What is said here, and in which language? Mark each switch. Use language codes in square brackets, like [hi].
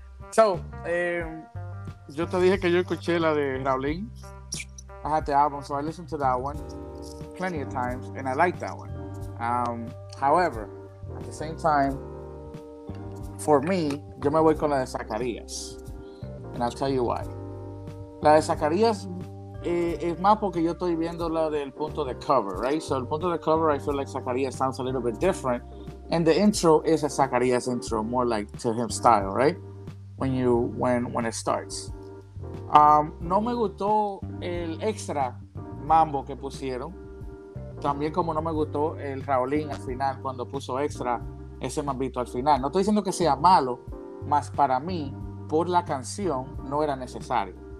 [es] So, yo te dije que yo escuché la de Raulín. [en] I had the album, so I listened to that one plenty of times, and I liked that one. However, at the same time, for me, yo me voy con la de Zacarías. And I'll tell you why. [es] La de Zacarías es más porque yo estoy viendo la del punto de cover, right? [en] So, el punto de cover, I feel like Zacarías sounds a little bit different. And the intro is a Zacarías intro, more like to him style, right? When it starts. [es] No me gustó el extra mambo que pusieron. También como no me gustó el Raulín al final, cuando puso extra ese mambito al final. No estoy diciendo que sea malo, mas para mí, por la canción, no era necesario.